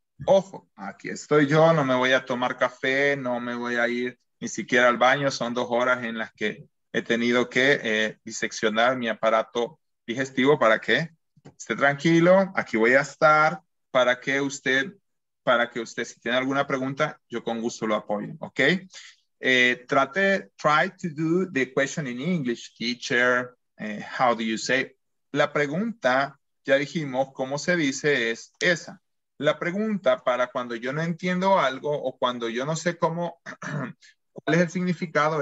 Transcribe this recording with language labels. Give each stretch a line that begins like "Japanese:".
Spanish: Ojo, aquí estoy yo, no me voy a tomar café, no me voy a ir ni siquiera al baño, son 2 horas en las que he tenido que diseccionar mi aparato digestivo para que esté tranquilo, aquí voy a estar para que usted, si tiene alguna pregunta, yo con gusto lo apoyo, ¿ok?
English: Try to do the question in English, teacher, how do you say?
Spanish: La pregunta, ya dijimos, ¿cómo se dice? Es esa. La pregunta para cuando yo no entiendo algo o cuando yo no sé cómo, ¿cuál es el significado?